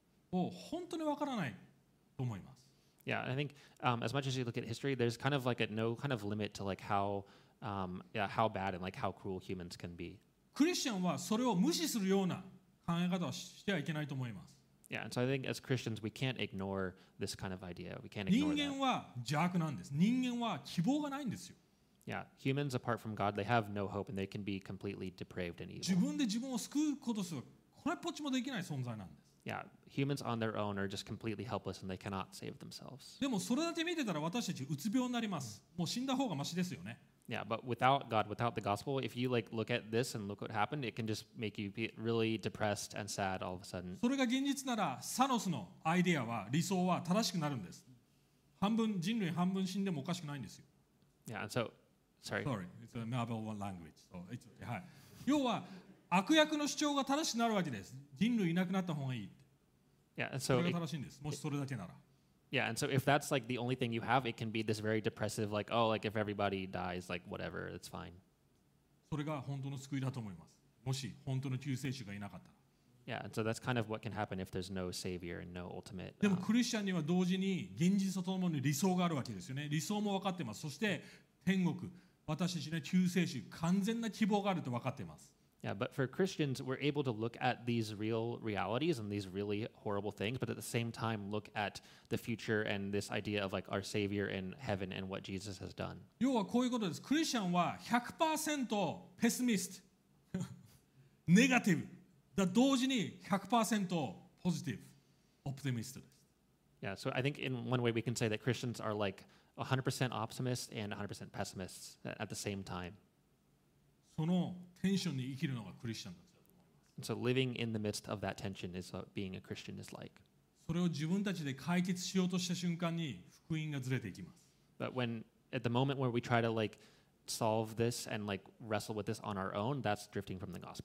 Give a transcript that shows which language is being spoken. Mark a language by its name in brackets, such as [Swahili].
[Japanese] もう本当にわからないと思います。 [English] Yeah, I think as much as you look at history, there's kind of like a no kind of limit to like how bad and like how cruel humans can be. [Japanese] クリスチャンはそれを無視するような考え方はしてはいけないと思います。 [English] Yeah, and so I think as Christians, we can't ignore this kind of idea. We can't ignore that. [Japanese] 人間は邪悪なんです。人間は希望がないんですよ。 [English] Yeah, humans apart from God, they have no hope, and they can be completely depraved and evil. [Japanese] 自分で自分を救うことすらこれっぽっちもできない存在なんです。 [English] Yeah, humans on their own are just completely helpless, and they cannot save themselves. [Japanese] でもそれだけ見てたら私たちうつ病になります。もう死んだ方がマシですよね。 [English] Yeah, but without God, without the gospel, if you like look at this and look what happened, it can just make you be really depressed and sad all of a sudden. [Japanese] それが現実ならサノスのアイデアは理想は正しくなるんです。半分人類半分死んでもおかしくないんですよ。 [English] Yeah, and so. Sorry, it's a Marvel one language. So it's はい。 [Japanese] 要は悪役の主張が正しくなるわけです。人類いなくなった方がいい。 [English] Yeah, and so [Japanese] それが正しいんです。もしそれだけなら。 [English] Yeah, and so if that's like the only thing you have, it can be this very depressive, like oh, like if everybody dies, like whatever, it's fine. [Japanese] それが本当の救いだと思います。もし本当の救世主がいなかったら。 [English] Yeah, and so that's kind of what can happen if there's no savior and no ultimate. [Japanese] でもクリスチャンには同時に現実とともに理想があるわけですよね。理想も分かってます。そして天国、私たちね、救世主、完全な希望があると分かっています。 [English] Yeah, but for Christians, we're able to look at these real realities and these really horrible things, but at the same time, look at the future and this idea of like our Savior in heaven and what Jesus has done. [Japanese] 要はこういうことです。クリスチャンは 100% ペシミスト、ネガティブ、だ同時に 100% ポジティブ、オプティミストです。 [English] Yeah, so I think in one way we can say that Christians are like 100% optimists and 100% pessimists at the same time. [Japanese] そのテンションに生きるのがクリスチャンだと思います。 [English] And so living in the midst of that tension is what being a Christian is like. [Japanese] それを自分たちで解決しようとした瞬間に福音がずれていきます。 [English] But when at the moment where we try to like solve this and like wrestle with this on our own, that's drifting from the gospel.